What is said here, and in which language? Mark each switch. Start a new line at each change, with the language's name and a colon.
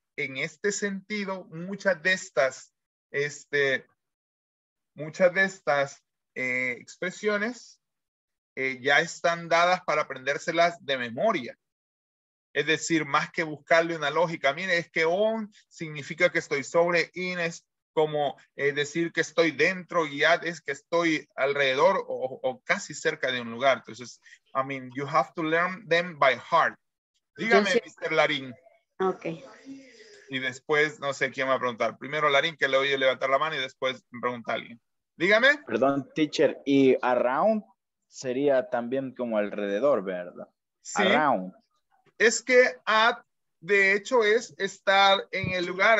Spanish: En este sentido, muchas de estas expresiones ya están dadas para aprendérselas de memoria. Es decir, más que buscarle una lógica, mire, es que on significa que estoy sobre, in es como decir que estoy dentro, y at es que estoy alrededor o casi cerca de un lugar.
English: Entonces, I mean, you have to learn them by heart.
Spanish: Dígame, sí. Mr. Larín.
English: Ok.
Spanish: Y después, no sé quién va a preguntar. Primero Larín, que le oye levantar la mano, y después me pregunta a alguien. Dígame. Perdón, teacher, y around sería también como alrededor, ¿verdad? Sí. Around. Es que at, de hecho, es estar en el lugar.